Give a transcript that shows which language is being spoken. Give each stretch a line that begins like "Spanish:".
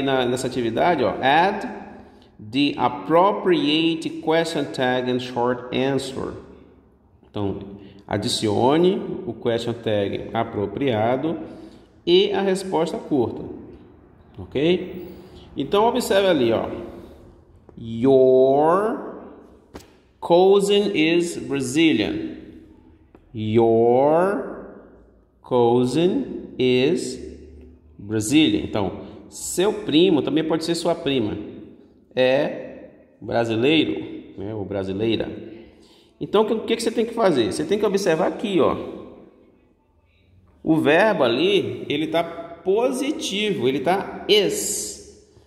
Portuguese: Nessa atividade, ó,
English: add the appropriate question tag and short answer.
Portuguese: Então, adicione o question tag apropriado e a resposta curta. Ok? Então, observe ali, ó.
English: Your cousin is Brazilian. Your cousin is Brazilian.
Portuguese: Então, seu primo, também pode ser sua prima, é brasileiro, né, ou brasileira. Então, o que você tem que fazer? Você tem que observar aqui, ó. O verbo ali, ele está positivo, ele está is.